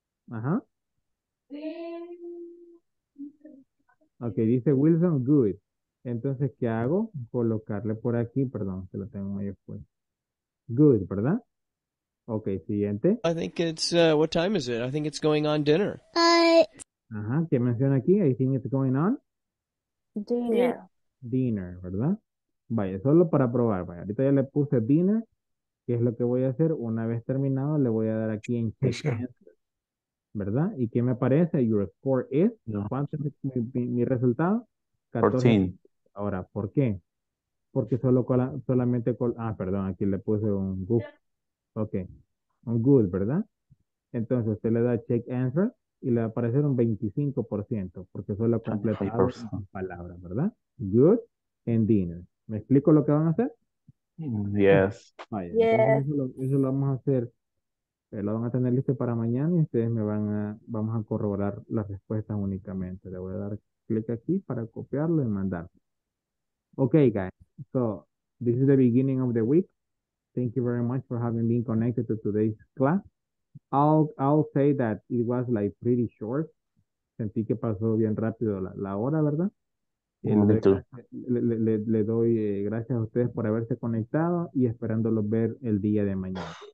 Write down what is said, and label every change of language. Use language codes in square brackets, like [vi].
[es] Ajá. Ok, dice Wilson, good. Entonces, ¿qué hago? Colocarle por aquí, perdón, que lo tengo medio fuerte. Good, ¿verdad? Ok, siguiente. [en] I think it's, what time is it? I think it's going on dinner. [es] Ajá, ¿qué menciona aquí? [en] I think it's going on. Dinner. [es] Dinner, ¿verdad? Vaya, solo para probar, vaya. Ahorita ya le puse dinner, que es lo que voy a hacer. Una vez terminado, le voy a dar aquí en check answer. ¿Verdad? ¿Y qué me parece? [en] Your score is, no. [es] ¿Cuánto es mi resultado? 14. 14. Ahora, ¿por qué? Porque perdón, aquí le puse un good. Ok, un good, ¿verdad? Entonces, usted le da check answer y le va a aparecer un 25%, porque solo ha completado palabras, ¿verdad? [en] Good and dinner. [es] ¿Me explico lo que van a hacer? [en] Yes. [es] Vaya, entonces eso lo vamos a hacer. Lo van a tener listo para mañana y ustedes vamos a corroborar las respuestas únicamente. Le voy a dar clic aquí para copiarlo y mandar. [en] Okay, guys. So this is the beginning of the week. Thank you very much for having been connected to today's class. I'll say that it was like pretty short. [es] Sentí que pasó bien rápido la hora, ¿verdad? Le doy gracias a ustedes por haberse conectado y esperándolos ver el día de mañana.